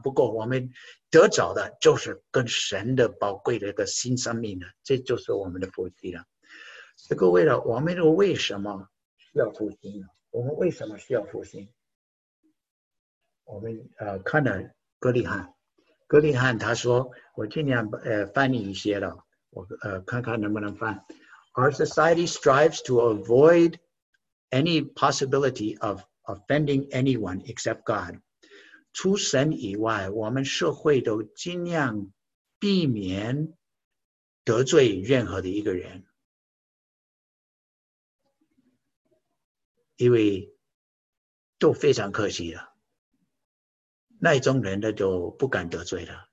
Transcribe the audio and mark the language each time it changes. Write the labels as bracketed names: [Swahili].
[Chinese] 不过我们得着的就是跟神的宝贵的一个新生命的，这就是我们的福气了。这个为了我们为什么需要复兴呢？我们为什么需要复兴？我们看了格里汉他说，我尽量翻译一些了，我看看能不能翻。 [English] Our society strives to avoid any possibility of offending anyone except God. [Chinese] 除神以外，我们社会都尽量避免得罪任何的一个人。因为都非常客气了。那种人的都不敢得罪了。